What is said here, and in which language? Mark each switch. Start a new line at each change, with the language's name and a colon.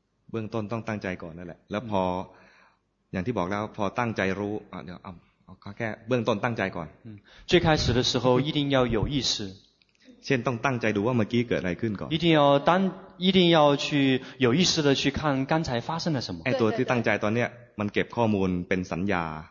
Thai: เบื้องต้นต้องตั้งใจก่อนนั่นแหละแล้วพออย่างที่บอกแล้วพอตั้งใจรู้เดี๋ยวเอาแค่เบื้องต้นตั้งใจก่อน
Chinese: 最开始的时候一定要有意识
Thai: เช่นต้องตั้งใจดูว่าเมื่อกี้เกิดอะไรขึ้นก่อน
Chinese: 一定要去有意识的去看刚才发生了什么
Thai: ไอ้ตัวที่ตั้งใจตอนเนี้ยมันเก็บข้อมูลเป็นสัญญา